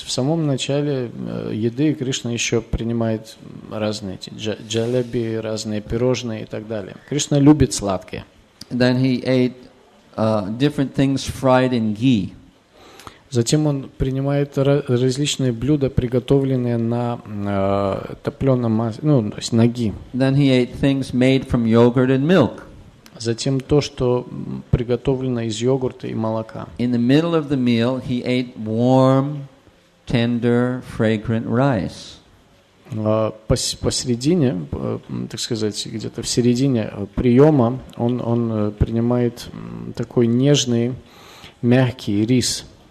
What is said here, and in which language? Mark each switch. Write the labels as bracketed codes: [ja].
[ru] В самом начале еды Кришна еще принимает разные эти джалеби, разные пирожные и так далее. Кришна любит сладкое. [en] Then he ate different things fried in ghee. [ru] Затем он принимает различные блюда, приготовленные на топленом масле, ну, то есть на ги. [en] Then he ate things made from yogurt and milk. [ru] Затем то, что приготовлено из йогурта и молока. [en] In the middle of the meal, he ate warm, tender, fragrant rice. [ru] Посередине, так сказать, где-то в середине приема он принимает такой нежный, мягкий рис.